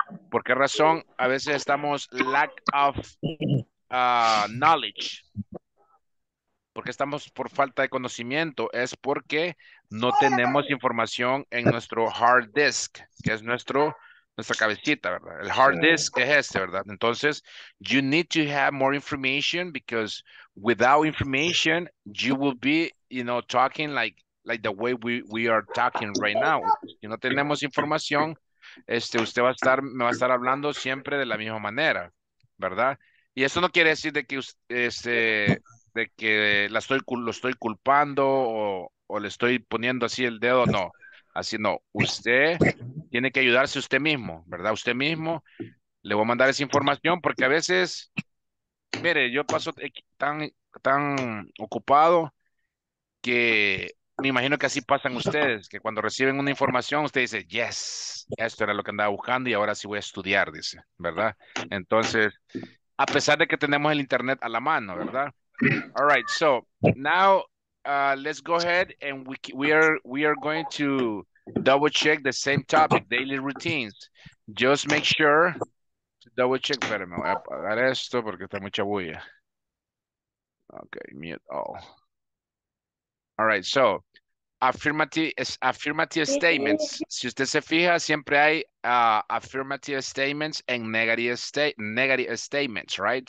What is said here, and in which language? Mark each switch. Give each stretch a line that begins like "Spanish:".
Spanish: ¿Por qué razón a veces estamos
English: lack of knowledge?
Spanish: Porque estamos por falta de conocimiento. Es porque no tenemos información en nuestro hard disk, que es nuestra cabecita, ¿verdad? El hard disk es este, ¿verdad?
English: Entonces, you need to have more information because without information, you will be, you know, talking like the way we are talking right now.
Spanish: Si no tenemos información, usted me va a estar hablando siempre de la misma manera, ¿verdad? Y eso no quiere decir de que lo estoy culpando o le estoy poniendo así el dedo, no. Así no. Usted tiene que ayudarse usted mismo, ¿verdad? Usted mismo le voy a mandar esa información porque a veces, mire, yo paso tan ocupado que me imagino que así pasan ustedes, que cuando reciben una información, usted dice, yes, esto era lo que andaba buscando y ahora sí voy a estudiar, dice, ¿verdad? Entonces, a pesar de que tenemos el internet a la mano, ¿verdad?
English: All right, so, now, let's go ahead and we are going to double check the same topic, daily routines. Just make sure to double check.
Spanish: Espérame, voy a apagar esto porque está mucha bulla.
English: Okay, mute all. All right, so affirmative statements.
Spanish: Si usted se fija, siempre hay
English: affirmative statements and negative statements, right?